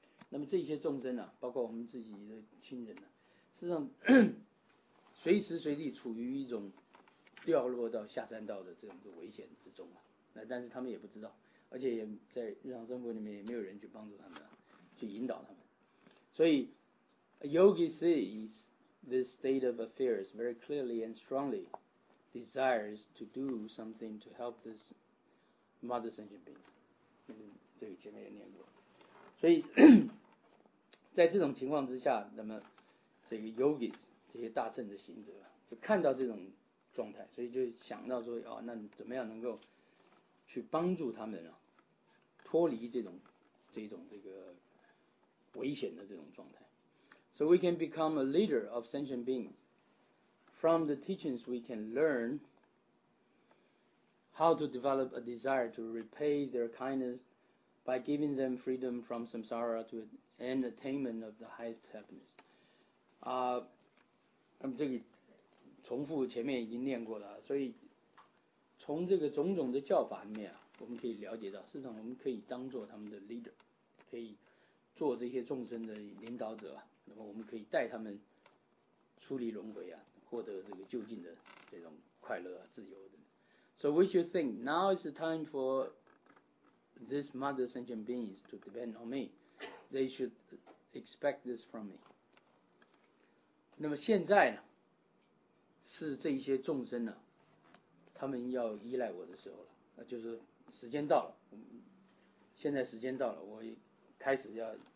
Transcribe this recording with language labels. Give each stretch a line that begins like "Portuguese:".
Chinese: 那么这些众生啊，包括我们自己的亲人啊，实际上随时随地处于一种掉落到下三道的这种危险之中啊。那但是他们也不知道，而且也在日常生活里面也没有人去帮助他们、啊，去引导他们，所以。
English: A yogi sees this state of affairs very clearly and strongly desires to do something to help this mother sentient being.
Chinese: 这个前面也念过。所以在这种情况之下那么这个 yogis, 这些大乘的行者就看到这种状态所以就想到说、哦、那怎么样能够去帮助他们、啊、脱离这种这个危险的这种状态。
English: So we can become a leader of sentient beings. From the teachings, we can learn how to develop a desire to repay their kindness by giving them freedom from samsara to an attainment of the highest happiness.
Chinese: 这个重复前面已经念过了，所以从这个种种的教法里面啊，我们可以了解到，事实上我们可以当做他们的 leader， 可以做这些众生的领导者啊。那么我们可以带他们出离轮回啊，获得这个究竟的这种快乐啊，自由的。
English: So we should think now is the time for these mother sentient beings to depend on me. They should expect this from me.
Chinese: 那么现在呢，是这些众生呢、啊，他们要依赖我的时候了。那就是时间到了，现在时间到了，我开始要。